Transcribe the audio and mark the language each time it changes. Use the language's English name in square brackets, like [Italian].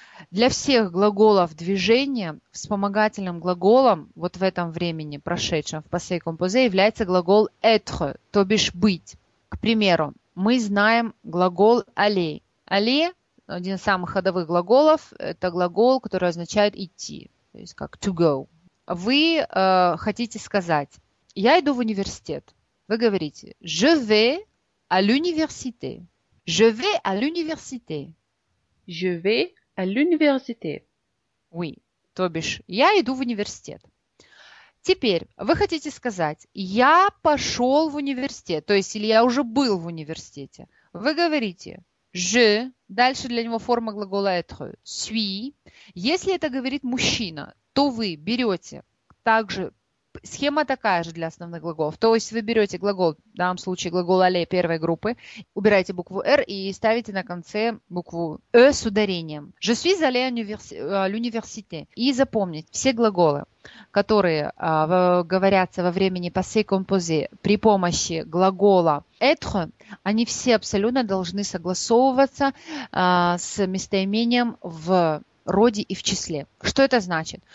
[Russian] Для всех глаголов движения вспомогательным глаголом вот в этом времени прошедшем, в passé composé, является глагол être, то бишь быть. К примеру, мы знаем глагол aller. Aller, один из самых ходовых глаголов, это глагол, который означает идти, то есть как [English] to go. [Russian] Вы хотите сказать, я иду в университет. Вы говорите, [French] je vais à l'université. Je vais à l'université. Je vais à l'université. Oui. [Russian] То бишь, я иду в университет. Теперь, вы хотите сказать, я пошел в университет, то есть, или я уже был в университете. Вы говорите, je, дальше для него форма глагола être, suis. Если это говорит мужчина, то вы берете также схема такая же для основных глаголов. То есть вы берете глагол, в данном случае глагол «aller» первой группы, убираете букву «r» и ставите на конце букву «e» с ударением. [French] «Je suis allé à l'université». [Russian] И запомнить все глаголы, которые говорятся во времени passé composé при помощи глагола «être», они все абсолютно должны согласовываться с местоимением в роде и в числе. Что это значит?